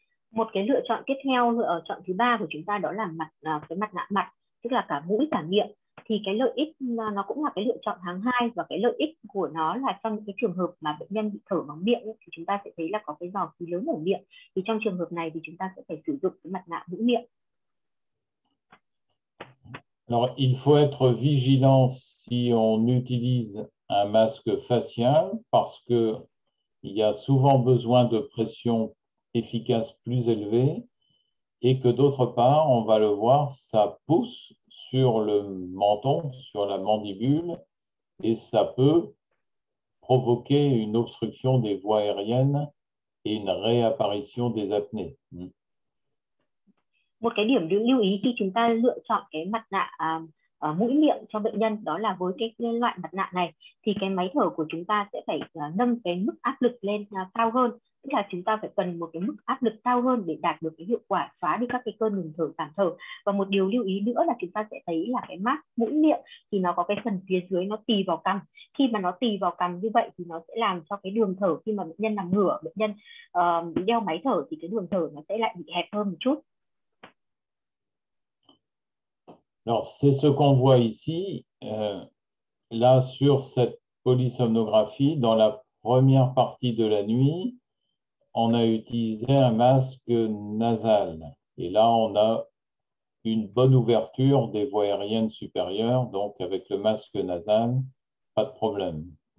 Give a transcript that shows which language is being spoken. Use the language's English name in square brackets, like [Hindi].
[Vietnamese] Một cái lựa chọn tiếp theo, chọn thứ ba của chúng ta đó là mặt nạ, tức là cả mũi cả miệng. Thì cái lợi ích nó cũng là cái lựa chọn hàng hai, và cái lợi ích của nó là trong cái trường hợp mà bệnh nhân bị thở bằng miệng thì chúng ta sẽ thấy là có cái dò khí lớn ở miệng, thì trong trường hợp này thì chúng ta sẽ phải sử dụng cái mặt nạ mũi miệng. [French] Alors, il faut être vigilant si on utilise un masque facial, parce que il y a souvent besoin de pression efficace plus élevée, et que d'autre part, on va le voir, ça pousse sur le menton, sur la mandibule, et ça peut provoquer une obstruction des voies aériennes et une réapparition des apnées. [Vietnamese] Một cái điểm lưu ý khi chúng ta lựa chọn cái mặt nạ mũi miệng cho bệnh nhân đó là với cái loại mặt nạ này thì cái máy thở của chúng ta sẽ phải nâng cái mức áp lực lên cao hơn, tức là chúng ta phải cần một cái mức áp lực cao hơn để đạt được cái hiệu quả xóa đi các cái cơn ngừng thở, giảm thở. Và một điều lưu ý nữa là chúng ta sẽ thấy là cái mask mũi miệng thì nó có cái phần phía dưới nó tì vào cằm. Khi mà nó tì vào cằm như vậy thì nó sẽ làm cho cái đường thở, khi mà bệnh nhân nằm ngửa, bệnh nhân đeo máy thở thì cái đường thở nó sẽ lại bị hẹp hơn một chút. [French] Alors, c'est ce qu'on voit ici, là sur cette polysomnographie, dans la première partie de la nuit, on a utilisé un masque nasal. Et là, on a une bonne ouverture des voies aériennes supérieures, donc avec le masque nasal, pas de problème.